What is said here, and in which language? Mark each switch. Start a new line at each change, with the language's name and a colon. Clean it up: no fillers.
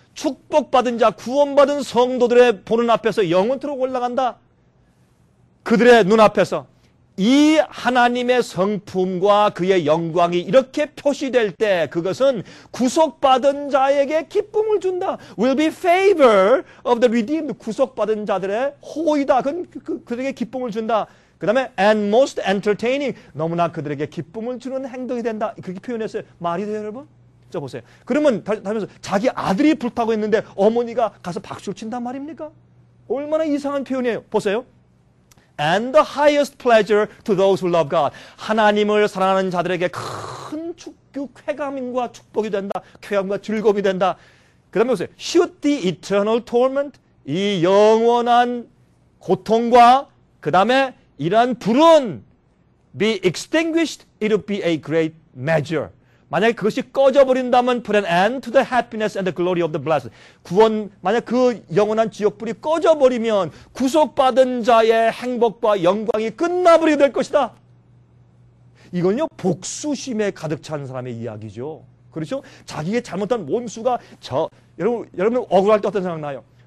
Korean: 축복받은 자, 구원받은 성도들의 보는 앞에서 영원토록 올라간다. 그들의 눈앞에서 이 하나님의 성품과 그의 영광이 이렇게 표시될 때 그것은 구속받은 자에게 기쁨을 준다.
English: Will be favor of the redeemed.
Korean: 구속받은 자들의 호의다. 그들에게 기쁨을 준다. 그 다음에
English: and most entertaining,
Korean: 너무나 그들에게 기쁨을 주는 행동이 된다. 그렇게 표현했어요. 말이 돼요, 여러분? 자, 보세요. 그러면 다면서 자기 아들이 불타고 있는데 어머니가 가서 박수를 친단 말입니까? 얼마나 이상한 표현이에요. 보세요.
English: And the highest pleasure to those who love God.
Korean: 하나님을 사랑하는 자들에게 큰 쾌감과 축복이 된다. 쾌감과 즐거움이 된다. 그 다음에 보세요.
English: Should the eternal torment,
Korean: 이 영원한 고통과 그 다음에 이러한 불은
English: be extinguished, it would be a great measure.
Korean: 만약에 그것이 꺼져버린다면
English: put an end to the happiness and the glory of the blessed.
Korean: 구원, 만약 그 영원한 지옥불이 꺼져버리면 구속받은 자의 행복과 영광이 끝나버리게 될 것이다. 이건요, 복수심에 가득 찬 사람의 이야기죠. 그렇죠? 자기의 잘못한 원수가 여러분 억울할 때 어떤 생각나요?